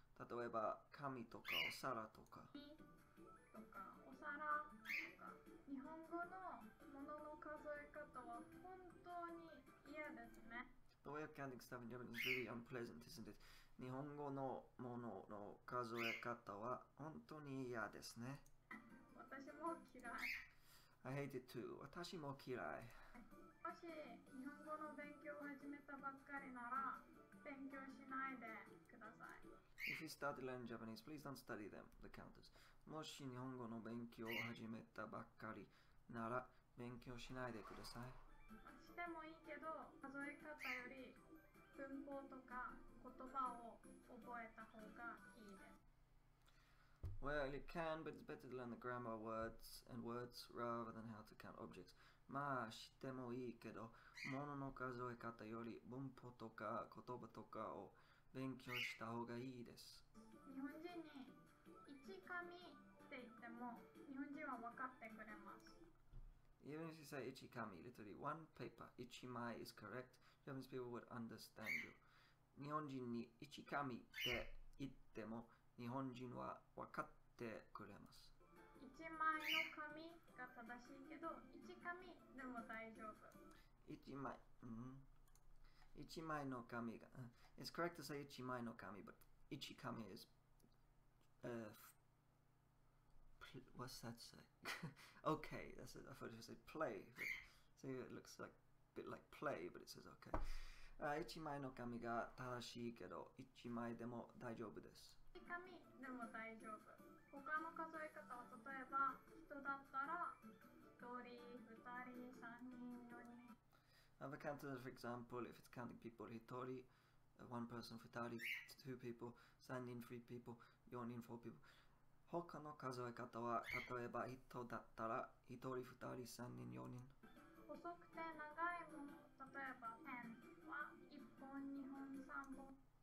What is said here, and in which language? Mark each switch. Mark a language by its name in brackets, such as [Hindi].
[Japanese] 例えば紙とかお皿とか。とかお皿とか。日本語のものの数え方は本当に嫌ですね。 [English] The way of counting stuff in Japan is really unpleasant, isn't it? [Japanese] 日本語のものの数え方は本当に嫌ですね。私も嫌い。 [English] I hate it too. [Japanese] 私も嫌い。もし日本語の勉強を始めたばっかりなら勉強しないでください。 [English] If you started learning Japanese, please don't study them, the counters. [Japanese] もし日本語の勉強を始めたばっかりなら勉強しないでください。してもいいけど、数え方より文法とか言葉を覚えた方がいいです。 [English] Well, you can, but it's better to learn the grammar words and words rather than how to count objects. [Japanese] まあ、してもいいけど、ものの数え方より文法とか言葉とかを勉強した方がいいです。日本人に一紙って言っても、日本人は分かってくれます。 [English] Even if you say 一紙, literally one paper, 一枚 is correct, Japanese people would understand you. [Japanese] 日本人に一紙って言っても、日本人は分かってくれます。一枚の紙が正しいけど、一紙でも大丈夫。一枚の紙が、 [English] It's correct to say 一枚の紙、but 一紙 is, what's that say? okay, that's it. I thought you said play. But, so it looks like a bit like play, but it says okay. [Japanese] 一枚の紙が正しいけど、一枚でも大丈夫です。紙でも大丈夫。他の数え方は例えば人だったら1人、2人、3人、4人。 [English] Other counters, for example, if it's counting people, 1人, one person, 2人, 2 people, 3人, 3 people, 4人, 4 people. [Japanese] 他の数え方は例えば人だったら1人、2人、3人、4人。細くて長いもの、例えばペンは1本、2本、3本。